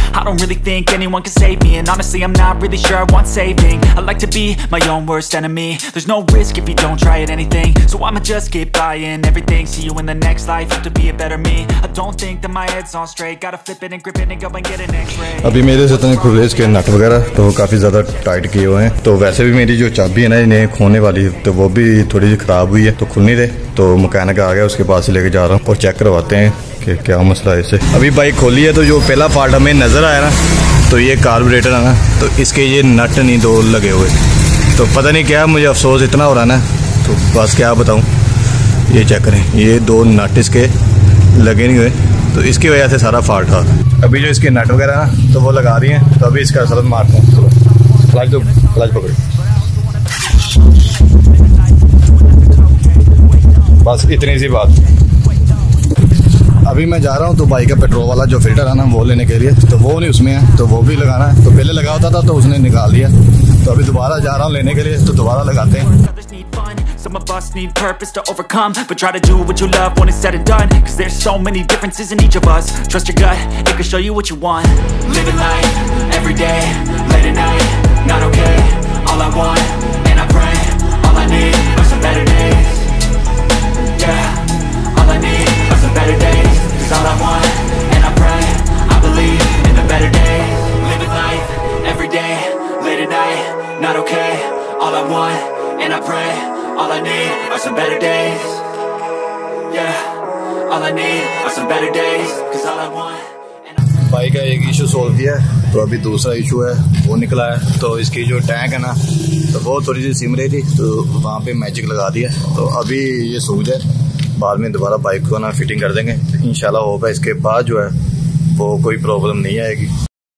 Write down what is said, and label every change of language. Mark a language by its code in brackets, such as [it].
[en] I don't really think anyone can save me, and honestly, I'm not really sure I want saving. I like to be my own worst enemy. There's no risk if you don't try at anything, so I'ma just keep buying everything. See you in the next life, have to be a better me. I don't think that my head's on straight. Gotta flip it and grip it and go and get an X-ray. [hi] अभी मेरे से इतने खुले इसके नट वगैरह तो काफी ज़्यादा टाइट किए हुए हैं। तो वैसे भी मेरी जो चाबी है ना इन्हें खोने वाली, तो वो भी थोड़ी सी खराब हुई है, तो खुल नहीं रहे। तो मैकेनिक आ गया, उसके पास लेके जा रहा हूँ और चेक करवाते हैं कि क्या मसला है इसे। अभी बाइक खोली है तो जो पहला पार्ट हमें नजर आया ना, तो ये कार्बोरेटर है ना, तो इसके ये नट नहीं दो लगे हुए। तो पता नहीं क्या, मुझे अफसोस इतना हो रहा ना, तो बस क्या बताऊँ। ये चेक करें, ये दो नट इसके लगे नहीं हुए, तो इसकी वजह से सारा फॉल्ट था। अभी जो इसके नट वगैरह ना तो वो लगा रही हैं, तो अभी इसका असर मारता हूँ। क्लच दो, क्लच पकड़ो, बस इतनी सी बात। अभी मैं जा रहा हूँ तो बाइक का पेट्रोल वाला जो फिल्टर है ना वो लेने के लिए, तो वो नहीं उसमें है, तो वो भी लगाना है। तो पहले लगा होता था तो उसने निकाल लिया, तो अभी दोबारा जा रहा हूँ लेने के लिए, तो दोबारा लगाते हैं। [en] Some of us need purpose to overcome, but try to do what you love when it's said and done. 'Cause there's so many differences in each of us. Trust your gut, it can show you what you want. Living life, every day, late at night, not okay. All I want, and I pray, all I need are some better days. Yeah, all I need are some better days. 'Cause all I want, and I pray, I believe in a better day. Living life, every day, late at night, not okay. All I want, and I pray. All I need are some better days. Yeah, all I need are some better days. 'Cause all I want. [hi] Bike का एक issue solve किया, तो अभी दूसरा issue है वो निकला है। तो इसकी जो टैंक है ना तो वो थोड़ी सी सिम रही थी, तो वहाँ पे मैजिक लगा दिया, तो अभी ये सूज है। बाद में दोबारा बाइक को ना फिटिंग कर देंगे इंशाल्लाह, होप है इसके बाद जो है वो कोई प्रॉब्लम नहीं आएगी।